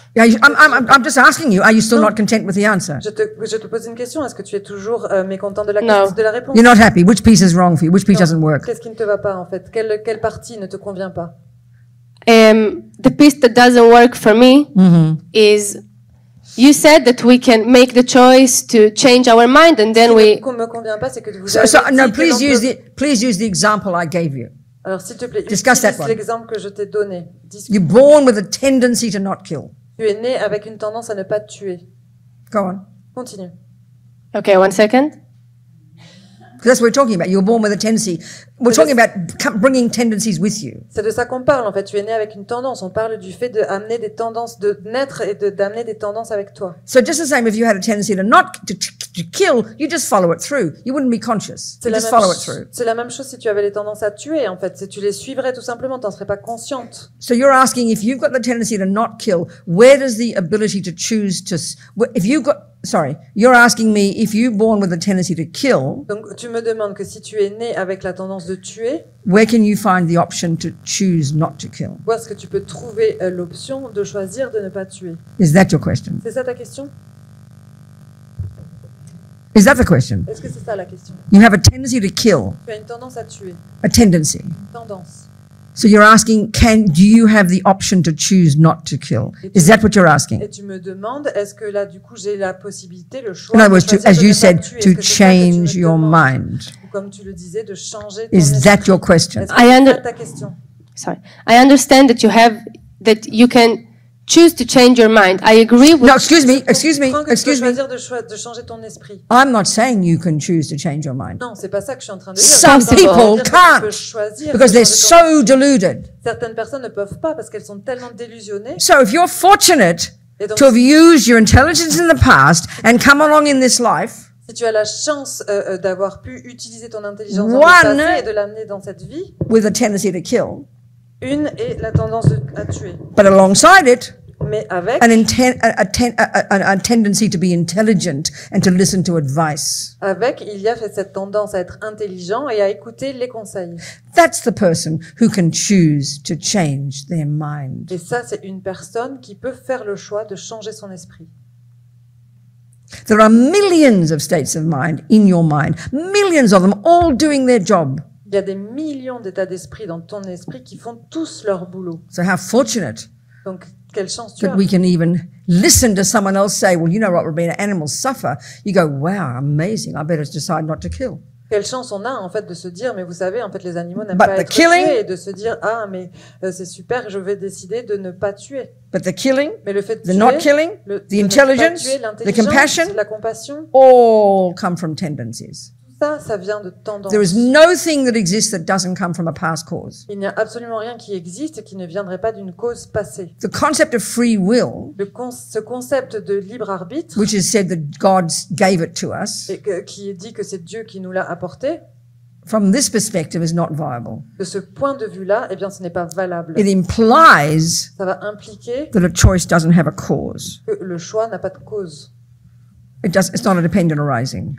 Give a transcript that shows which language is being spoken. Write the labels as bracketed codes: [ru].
[en] I'm just asking you. Are you still not content with the answer? [fr] Je te pose une question. Est-ce que tu es toujours mécontent de la réponse? [en] You're not happy. Which piece is wrong for you? Which piece doesn't work? [fr] Qu'est-ce qui ne te va pas en fait? Quelle partie ne te convient pas? [en] The piece that doesn't work for me is you said that we can make the choice to change our mind and then we. [fr] Ce qui ne me convient pas, c'est que vous. [en] Please use the example I gave you. [fr] Alors, s'il te plaît, [en] discuss that one. [fr] L'exemple que je t'ai donné. [en] You're born with a tendency to not kill. [fr] Tu es né avec une tendance à ne pas tuer. [en] Go on. [fr] Continue. [en] Okay, one second. Because that's what we're talking about. You're born with a tendency. We're talking about bringing tendencies with you. [fr] C'est de ça qu'on parle, en fait. Tu es né avec une tendance. On parle du fait d'amener des tendances, de naître et d'amener des tendances avec toi. [en] So just the same, if you had a tendency to not to kill, you just follow it through. You wouldn't be conscious. You just follow it through. [fr] C'est la même chose si tu avais les tendances à tuer, en fait. Tu les suivrais tout simplement, t'en serais pas consciente. [en] So you're asking if you've got the tendency to not kill, where does the ability to choose to... If you've got... Sorry, you're asking me if you're born with a tendency to kill. [fr] Donc tu me demandes que si tu es né avec la tendance de tuer. [en] Where can you find the option to choose not to kill? [fr] Où est-ce que tu peux trouver l'option de choisir de ne pas tuer? [en] Is that your question? [fr] C'est ça ta question? [en] Is that the question? [fr] Est-ce que c'est ça la question? [en] You have a tendency to kill. [fr] Tu as une tendance à tuer. [en] A tendency. [fr] Une tendance. [en] So you're asking, do you have the option to choose not to kill? Is that what you're asking? [fr] Et tu me demandes, est-ce que là, du coup, j'ai la possibilité, le choix, de choisir de ne pas tuer? [en] As you said, to change your mind. [fr] Ou comme tu le disais, de changer ton esprit. [en] Is that your question? I understand that you have, that you can choose to change your mind. I agree with... No, excuse me. [fr] Tu peux choisir de changer ton esprit. [en] I'm not saying you can choose to change your mind. [fr] Non, c'est pas ça que je suis en train de dire. [en] Some people can't, because they're so deluded. [fr] Certaines personnes ne peuvent pas parce qu'elles sont tellement délusionnées. [en] So if you're fortunate to have used your intelligence in the past and come along in this life, [fr] si tu as la chance d'avoir pu utiliser ton intelligence dans le passé et de l'amener dans cette vie, [en] with a tendency to kill, [fr] une est la tendance à tuer. [en] But alongside it, [fr] mais avec [en] a tendency to be intelligent and to listen to advice. [fr] Avec, il y a cette tendance à être intelligent et à écouter les conseils. [en] That's the person who can choose to change their mind. [fr] Et ça, c'est une personne qui peut faire le choix de changer son esprit. [en] There are millions of states of mind in your mind. Millions of them all doing their job. [fr] Il y a des millions d'états d'esprit dans ton esprit qui font tous leur boulot. [en] So how fortunate. [fr] Donc, quelle chance tu as. [en] That we can even listen to someone else say, well, you know what, Robina, animals suffer. You go, wow, amazing, I better decide not to kill. [fr] Quelle chance on a, en fait, de se dire, mais vous savez, en fait, les animaux n'aiment pas être tués. Et de se dire, ah, mais c'est super, je vais décider de ne pas tuer. [en] But the killing, [fr] mais le fait de [en] the [fr] tuer, [en] not killing, the intelligence, [fr] tuer, l'intelligence, [en] the compassion, [fr] la compassion, [en] all come from tendencies. [fr] Ça vient de tendance. [en] There is no thing that exists that doesn't come from a past cause. [fr] Il n'y a absolument rien qui existe et qui ne viendrait pas d'une cause passée. [en] The concept of free will, [fr] ce concept de libre arbitre, [en] which is said that God gave it to us, [fr] et qui est dit que c'est Dieu qui nous l'a apporté, [en] from this perspective is not viable. [fr] De ce point de vue-là, eh bien, ce n'est pas valable. [en] It implies, [fr] ça va impliquer, [en] that a choice doesn't have a cause. [fr] Que le choix n'a pas de cause. [en] It's not a dependent arising.